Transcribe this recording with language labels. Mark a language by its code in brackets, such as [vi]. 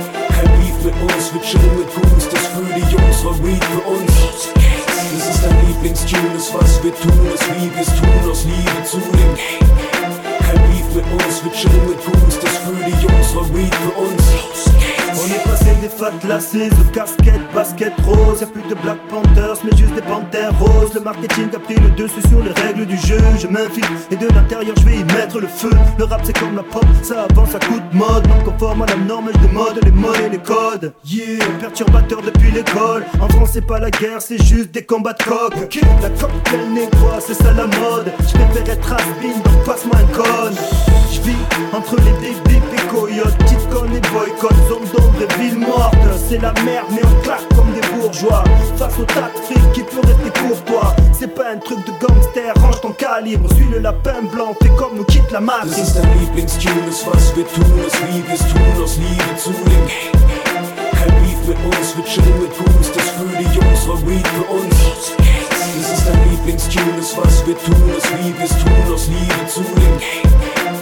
[de] Kein Beef mit uns, wir chillen mit Goons, das für die Jungs war Weed für uns. Das ist dein Lieblingstune, ist was wir tun, ist wie wir's tun, aus Liebe zu dem. Kein Beef mit uns, wir chillen mit Goons, das für die Jungs war Weed für uns. [fr] On est passé des fat lacets aux casquettes, basket rose. Y'a plus de Black Panthers, mais juste des panthères roses. Le marketing a pris le dessus sur les règles du jeu. Je m'infile et de l'intérieur je vais y mettre le feu. Le rap c'est comme la pop, ça avance à coup de mode. Non conforme à la norme, je démode les modes et les codes. Yeah, perturbateur depuis l'école. En France c'est pas la guerre, c'est juste des combats de coq. Ok, la coque qu'elle nettoie, c'est ça la mode. Je préfère être Aspin, donc passe-moi un con. Je vis entre les bébés et coyotes. Petite conne et boycott, zone d'ombre et ville morte. C'est la merde, mais on claque comme des bourgeois. Face au tas de fric qui peut rester courtois. C'est pas un truc de gangster, range ton calibre. Suis le lapin blanc, fais comme nous quitte la matrice. [de] Das ist dein Lieblingstune, ist was wir tun. Aus Liebe ist tun, aus Liebe zu dem. Kein Beef mit uns, wir chillen mit Goons. Das für die Jungs war Weed für uns. Das ist dein Lieblingstune, ist was wir tun. Aus Liebe ist tun, aus Liebe zu dem.